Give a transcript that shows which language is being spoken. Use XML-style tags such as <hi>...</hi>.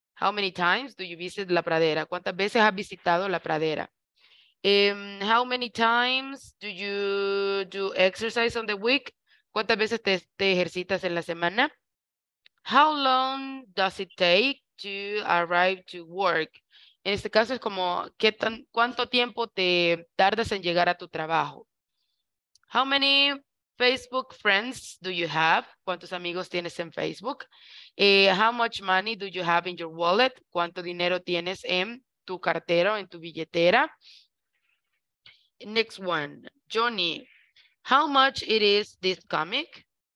<en>How many times do you visit La Pradera?</en> <es>¿Cuántas veces has visitado La Pradera?</es> <en>How many times do you do exercise on the week?</en> <es>¿Cuántas veces te ejercitas en la semana?</es> <en>How long does it take to arrive to work?</en> <es>En este caso es como, ¿cuánto tiempo te tardas en llegar a tu trabajo?</es> <en>How many Facebook friends do you have?</en> <es>¿Cuántos amigos tienes en Facebook?</es> <en>How much money do you have in your wallet?</en> <es>¿Cuánto dinero tienes en tu cartera o en tu billetera?</es> <en>Next one, Johnny, how much it is this comic?</en>